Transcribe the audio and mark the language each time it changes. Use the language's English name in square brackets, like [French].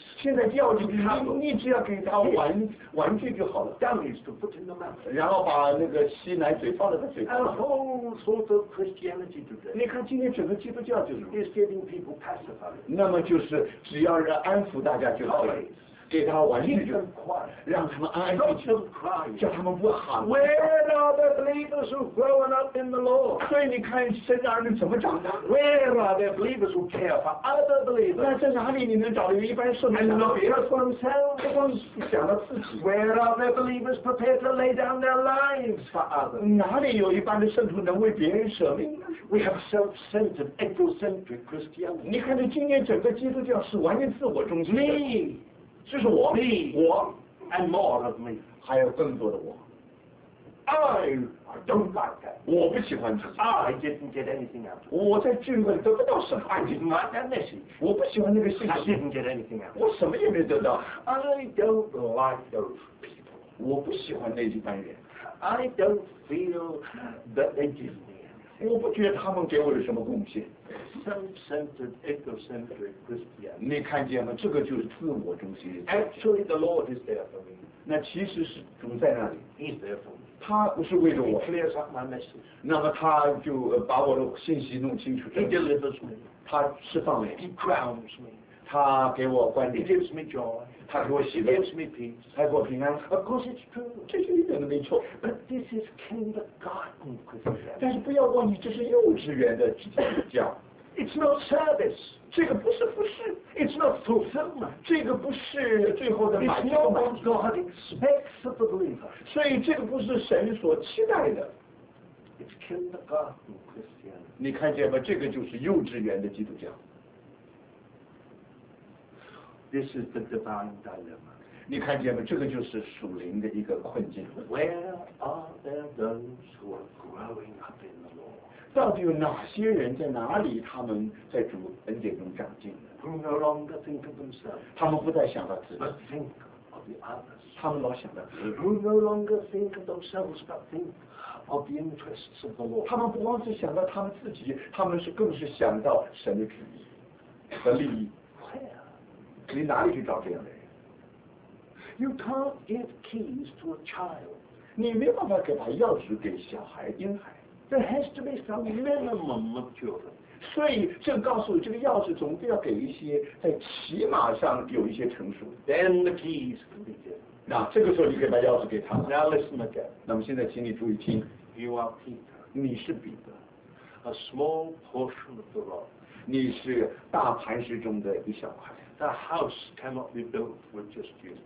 [Chinese] 现在要就是你只要给他玩玩具就好了 [English] ，dummies to put in the mouth。 [Chinese] 然后把那个吸奶嘴放在他嘴上。 [English] A whole sort of Christianity today。 [Chinese] 你看今天整个基督教就是 [English] ，is giving people pacified。 [Chinese] 那么就是只要是安抚大家就好了。给他玩具，让他们安安静静，叫他们不喊。 [English] Where are the believers who grown up in the Lord？ [Chinese] 所以你看，神儿女怎么长大 [English] ？Where are the believers who care for other believers？ [Chinese] 那在哪里你能找到一般圣徒？想到别人 ， [English] themselves， [Chinese] 不光是想到自己。 [English] Where are the believers prepared to lay down their lives for others？ [Chinese] 哪里有一般的圣徒能为别人舍命 [English] ？We have self-centered, egocentric Christians。 [Chinese] 你看，这今天整个基督教是完全自我中心的。就是我 [English] me, [Chinese] 我 [English] and more of me [Chinese] 还有更多的我 [English] I don't like that [Chinese] 我不喜欢自己 [English] I didn't get anything out of it [Chinese] 我在聚会得不到什么 [English] I didn't like that message [Chinese] 我不喜欢那个信息 [English] I didn't get anything out of it [Chinese] 我什么也没得到 [English] I don't like those people [Chinese] 我不喜欢那一般人 [English] I don't feel that they give me anything [Chinese] 我不觉得他们给我有什么贡献 [English] Self-centered, egocentric Christian. [Chinese] 你看见吗？这个就是自我中心。 [English] Actually, the Lord is there for me. [Chinese] 那其实是主在那里。 [English] He's there for me. [Chinese] 他不是为着我。 [English] He clears up my message. [Chinese] 那么他就把我的信息弄清楚。 [English] He delivers me. [Chinese] 他释放了。 [English] He crowns me. [Chinese] 他给我冠冕。 [English] He gives me joy. [Chinese] 他给我喜乐。 [English] He gives me peace. [Chinese] 他给我平安。 [English] Of course, it's true. [Chinese] 这是一点都没错。 [English] But this is kindergarten Christian. [Chinese] 但是不要忘记，这是幼稚园的基督教。 [English] It's not service. [Chinese] 这个不是服事。 [English] It's not fulfillment. [Chinese] 这个不是最后的满足。 [English] It's not what God expects of the believer. [Chinese] 所以这个不是神所期待的。 [English] It's kindergarten Christianity. [Chinese] 你看见吗？这个就是幼稚园的基督教。 [English] This is the divine dilemma. [Chinese] 你看见吗？这个就是属灵的一个困境。 [English] Where are there those who are growing up in the Lord? [Chinese] 到底有哪些人在哪里？他们在主恩典中长进的。 [English] Who no longer think of themselves？ [Chinese] 他们不再想到自己。 [English] But think of the others。 [Chinese] 他们老想到自己。 [English] Who no longer think of themselves but think of the interests of the Lord？ [Chinese] 他们不光是想到他们自己，他们是更是想到神的旨意和利益。 [English] Where？ [Chinese] 你哪里去找这样的人 [English] ？You can't give keys to a child。 [Chinese] 你没办法给把钥匙给小孩、婴孩。 [English] There has to be some minimum maturity. [Chinese] 所以这告诉这个钥匙总得要给一些在起码上有一些成熟。 [English] Then the keys can be given. [Chinese] 那这个时候你可以把钥匙给他了。 [English] Now listen again. [Chinese] 那么现在请你注意听。 [English] You are Peter. [Chinese] 你是彼得。 [English] A small portion of the rock. [Chinese] 你是大磐石中的一小块。 [English] The house cannot be built with just you.